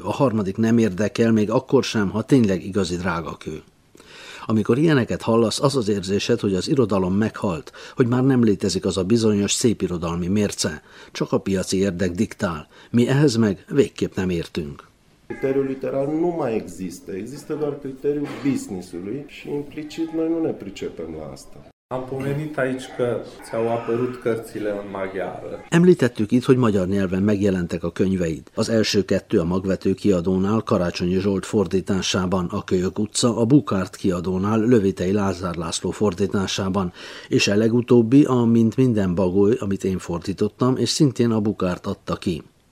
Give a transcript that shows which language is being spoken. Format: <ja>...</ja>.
<hu>A harmadik nem érdekel, még akkor sem, ha tényleg igazi drága kő. Amikor ilyeneket hallasz, az az érzésed, hogy az irodalom meghalt, hogy már nem létezik az a bizonyos szép irodalmi mérce. Csak a piaci érdek diktál. Mi ehhez meg végképp nem értünk.</hu> <ro>Criteriul literar nu mai există, există doar criteriul business-ului și implicit noi nu ne pricepem la asta. Am pomenit aici că ți-au apărut cărțile în maghiară.</ro> <hu>Említettük itt, hogy magyar nyelven megjelentek a könyveid. Az első kettő a Magvető kiadónál, Karácsonyi Zsolt fordításában, a Kölyök utca, a Bukárt kiadónál, Lövitei Lázár László fordításában, és a legutóbbi a Mint minden Bagoly, amit én fordítottam, és szintén a Bukárt adta ki.</hu>